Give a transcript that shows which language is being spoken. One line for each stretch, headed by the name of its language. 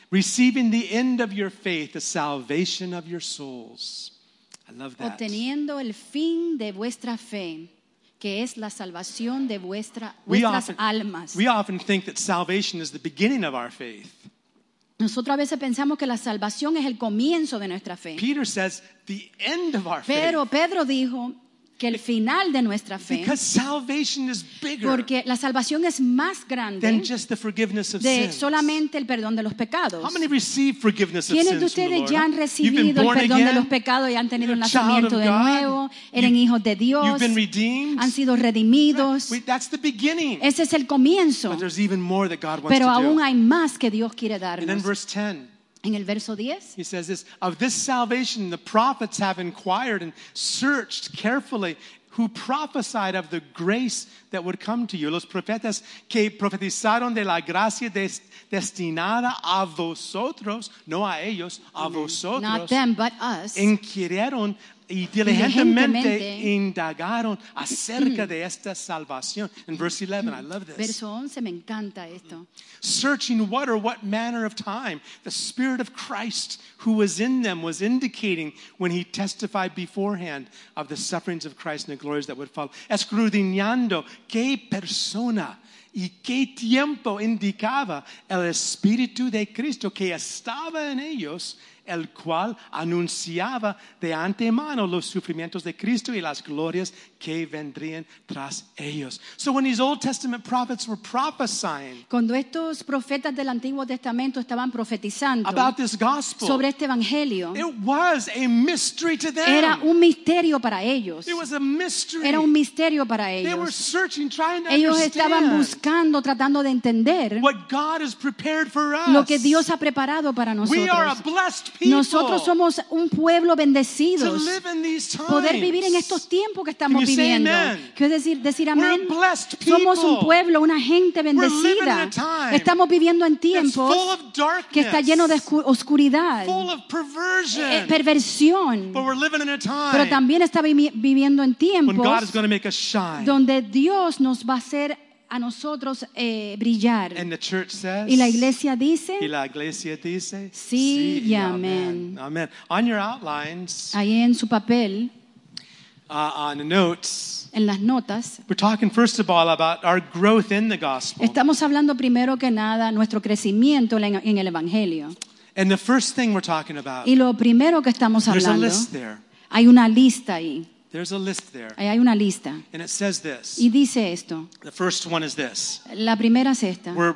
English: Receiving the end of your faith, the salvation of your souls. I love that.
Spanish: Obteniendo el fin de vuestra fe, que es la salvación de vuestras almas.
English: We often think that salvation is the beginning of our faith.
Spanish: Nosotros a veces pensamos que la salvación es el comienzo de nuestra fe.
English: Peter says, the end of our faith.
Spanish: Pero Pedro dijo que el final de nuestra fe.
English: Because salvation is bigger.
Spanish: Porque la salvación es más grande.
English: Than just the forgiveness of
Spanish: de
English: sins.
Spanish: Solamente el perdón de los pecados.
English: How many receive forgiveness of sins?
Spanish: ¿Quiénes de ustedes ya han recibido el perdón
English: again?
Spanish: De los pecados y han tenido un nacimiento de nuevo? Eran hijos de Dios.
English: You've been redeemed.
Spanish: Han sido redimidos.
English: Right. That's the beginning.
Spanish: Ese es el comienzo.
English: But there's even more that God wants
Spanish: pero
English: to
Spanish: aún
English: do.
Spanish: Hay más que Dios quiere darnos.
English: And then verse 10.
Spanish: En el verso 10,
English: he says this, of this salvation the prophets have inquired and searched carefully who prophesied of the grace that would come to you.
Spanish: Los profetas que profetizaron de la gracia destinada a vosotros, no a ellos, a vosotros.
English: Not them, but us.
Spanish: Inquirieron y diligentemente indagaron acerca de esta salvación.
English: In verse 11, I love this.
Spanish: Verso 11, me encanta esto.
English: Searching what or what manner of time the Spirit of Christ who was in them was indicating when he testified beforehand of the sufferings of Christ and the glories that would follow.
Spanish: Escrudiñando qué persona y qué tiempo indicaba el Espíritu de Cristo que estaba en ellos, el cual anunciaba de antemano los sufrimientos de Cristo y las glorias que vendrían tras ellos.
English: So when these Old Testament prophets were prophesying,
Spanish: cuando estos profetas del Antiguo Testamento estaban profetizando
English: about this gospel,
Spanish: sobre este evangelio,
English: it was a mystery to them.
Spanish: Era un misterio para ellos.
English: It was a mystery.
Spanish: Era un misterio para ellos.
English: They were searching, trying to understand.
Spanish: Ellos estaban buscando, tratando de entender
English: what God has prepared for us.
Spanish: Lo que Dios ha preparado para nosotros.
English: We are a blessed
Spanish: people. Nosotros somos un pueblo bendecido.
English: To live in these times.
Spanish: Poder vivir en estos tiempos que estamos viviendo. Quiero decir amén.
English: We're blessed people.
Spanish: Somos un pueblo, una gente bendecida.
English: We're living in a time
Spanish: estamos viviendo en tiempos
English: that's full of darkness,
Spanish: que está lleno de oscuridad.
English: Full of perversion.
Spanish: Perversión.
English: But we're living in a time
Spanish: pero también está viviendo en tiempos
English: when God is going to make us shine.
Spanish: Donde Dios nos va a hacer a nosotros brillar.
English: And the church says,
Spanish: y la iglesia dice. Y la iglesia dice. Sí, sí y amén.
English: Amén. On your outlines.
Spanish: Ahí en su papel.
English: On the notes.
Spanish: En las notas.
English: We're talking first of all about our growth in the gospel.
Spanish: Estamos hablando primero que nada nuestro crecimiento en el evangelio.
English: And the first thing we're talking about.
Spanish: Y lo primero que estamos hablando.
English: There's a list there.
Spanish: Hay una lista ahí.
English: There's a list there.
Spanish: Ahí hay una lista.
English: And it says this.
Spanish: Y dice esto.
English: The first one is this.
Spanish: La primera es esta.